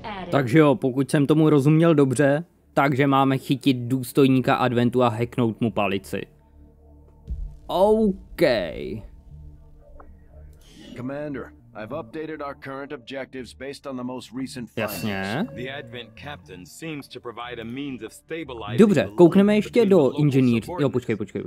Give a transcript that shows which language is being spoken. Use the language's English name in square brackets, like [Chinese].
[Czech] Takže jo, pokud jsem tomu rozuměl dobře, takže máme chytit důstojníka adventu a hacknout mu palici. OK. [English] Commander, I've updated our current objectives based on the most recent findings. [Czech] Jasně. [English] The Advent Captain seems to provide a means of stabilizing. [Czech] Dobře, koukneme ještě do inženýr. Jo, počkej.